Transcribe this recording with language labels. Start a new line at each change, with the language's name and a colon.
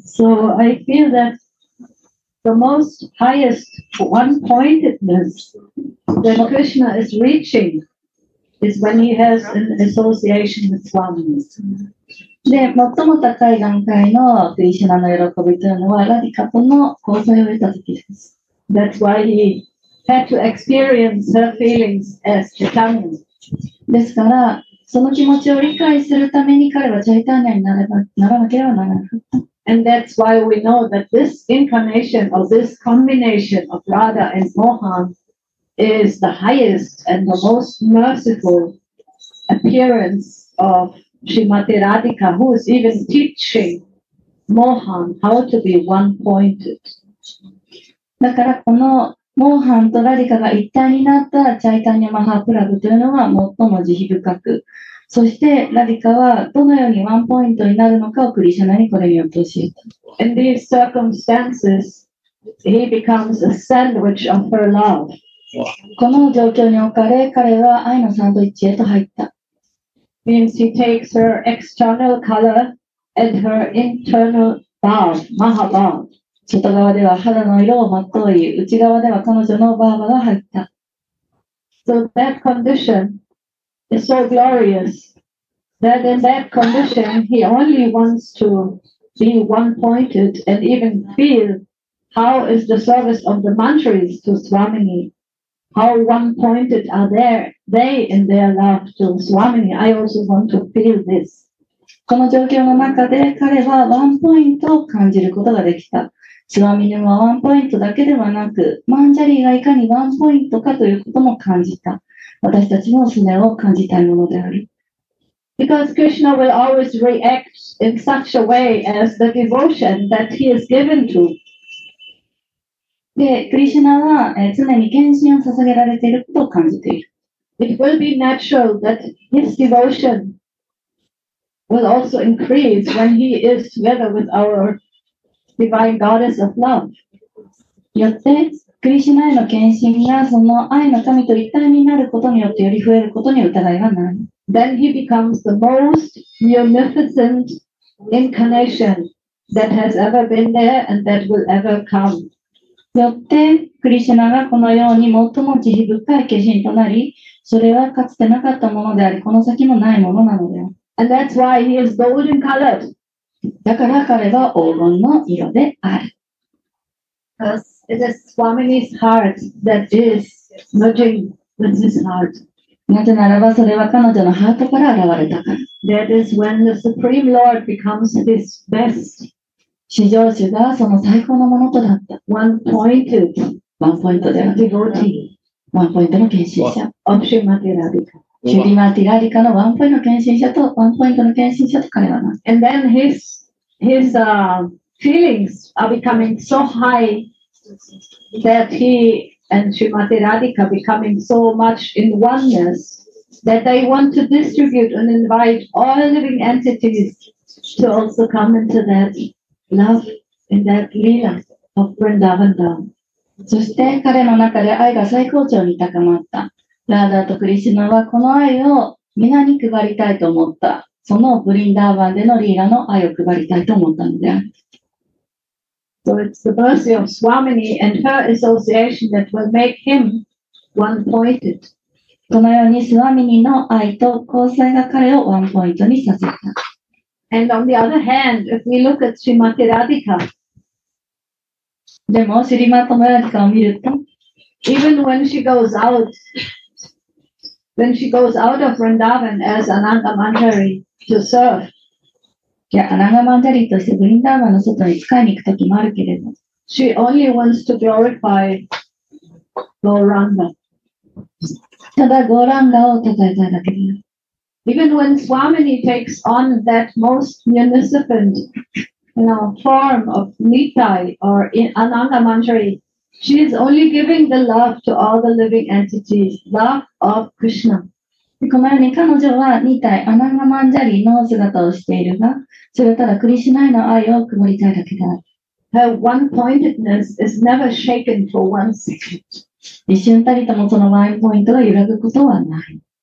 English: So I feel that the most highest one-pointedness that Krishna is reaching is when he has an association with Swamis.
Japanese: で、最も高い段階のクリシュナの喜びというのはラディカとの交際を得た時です。
English: That's why heHad to experience her feelings as Chaitanya.
Japanese: ですから、その気持ちを理解するために彼はチャイタンヤにならなければならない。
English: And that's why we know that this incarnation or this combination of Radha and Mohan is the highest and the most merciful appearance of Srimati Radhika, who is even teaching Mohan how to be one-pointed.
Japanese: だからこのモーハンとラディカが一体になったチャイタニャ・マハプラブというのは最も慈悲深く、そしてラディカはどのようにワンポイントになるのかをクリシュナにこれによって教えた。
English: In these circumstances he becomes a sandwich of her love.
Japanese: この状況に置かれ彼は愛のサンドイッチへと入った。
English: Means he takes her external color and her internal bath, Maha bath.
Japanese: 外側では肌の色をまとい、内側では彼女のバーバが入った。
English: So that condition is so glorious that in that condition he only wants to be one-pointed and even feel how is the service of the mantras to Swamini. How one-pointed are they in their love to Swamini. I also want to feel this.
Japanese: この状況の中で彼はワンポイントを感じることができた。スワミニはワンポイントだけではなく、マンジャリーがいかにワンポイントかということも感じた。私たちもスネを感じたいものである。
English: Because Krishna will always react in such a way as the devotion that he is given to.
Japanese: で、クリシュナは常に献身を捧げられていることを感じている。
English: It will be natural that his devotion will also increase when he is together with our. Divine Goddess of Love.
Japanese: よって、クリシュナへの献身がその愛の神と一体になることによってより増えることに疑いはない。
English: Then he becomes the most munificent incarnation that has ever been there and that will ever come.
Japanese: よって、クリシュナがこのように最も慈悲深い化身となり、それはかつてなかったものであり、この先もないものなのである。
English: And that's why he is golden colored.
Japanese: だから彼は黄金の色である。
English: Because it is Swamini's heart that is merging with his heart.
Japanese: なぜならばそれは彼女のハートから現れたから。
English: That is when the Supreme Lord becomes his best.
Japanese: 至上主がその最高のものとなった。
English: One-pointed devotee.
Japanese: ワンポイントの献身者。
English: Of Srimati Radhika.
Japanese: シュリマティラリカのワンポイントの献身者とワンポイントの献身者と彼はな。
English: And then his feelings are becoming so high that he and シュリマティラリカ becoming so much in oneness that they want to distribute and invite all living entities to also come into that love in that lila of Vrindavan Dham.
Japanese: そして彼の中で愛が最高潮に高まった。ラーダとクリシュナはこの愛を皆に配りたいと思った。そのブリンダーバンでのリーラの愛を配りたいと思ったのである。
English: So it's the mercy of Swamini and her association that will make him one-pointed.
Japanese: このようにスワミニの愛と交際が彼をワンポイントにさせた。
English: And on the other hand, if we look at Srimati Radhika.
Japanese: でも、シュリマトマラディカを見ると、
English: Even when she goes out,When she goes out of Vrindavan as Ananda Manjari to serve.
Japanese: Yeah, Ananda Manjari としてブリンダーバンの外に使いに行くときもあるけれど。
English: She only wants to glorify Gauranga.
Japanese: ただ、ゴーランガを称えただけだ。
English: Even when Swamini takes on that most munificent, you know, form of Nitai or Ananda Manjari,She is only giving the love to all the living entities, love of Krishna.
Japanese: このように彼女は2体アナンガマンジャリの姿をしているが、それはただクリシュナへの愛を配りたいだけである。
English: Her one-pointedness is never shaken for one second.
Japanese: 一瞬たりともそのワンポイントが揺らぐことはない。